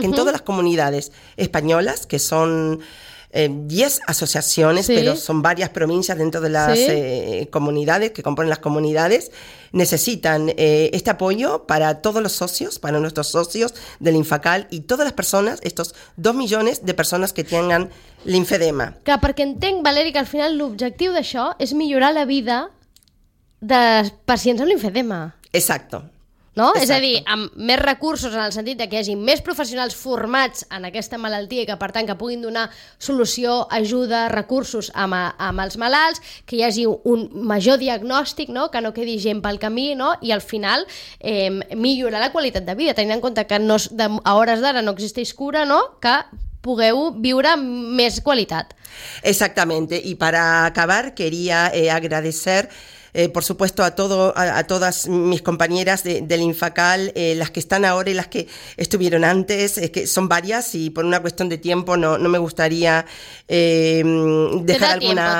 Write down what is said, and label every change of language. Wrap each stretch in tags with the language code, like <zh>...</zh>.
<es>que en todas las comunidades españolas, que son 10 asociaciones, sí. pero son varias provincias dentro de las sí. Comunidades, que componen las comunidades, necesitan este apoyo para todos los socios, para nuestros socios del Linfacal y todas las personas, estos 2 millones de personas que tengan linfedema.</es> <ca>Clar, perquè entenc, Valeri, que al final l'objectiu d'això és millorar la vida de pacients amb linfedema. Exacte. No? Exacte. És a dir, amb més recursos en el sentit de que hi hagi més professionals formats en aquesta malaltia i que, per tant, que puguin donar solució, ajuda, recursos amb els malalts, que hi hagi un major diagnòstic, no? Que no quedi gent pel camí, no? I al final millorar la qualitat de vida, tenint en compte que no, a hores d'ara no existeix cura, no? Que pugueu viure amb més qualitat.</ca> <es>Exactamente.</es> <ca>I per acabar,</ca> <es>queria agradecer por supuesto a todas mis compañeras del Infacal, las que están ahora y las que estuvieron antes, es que son varias y por una cuestión de tiempo no me gustaría dejar alguna.</es>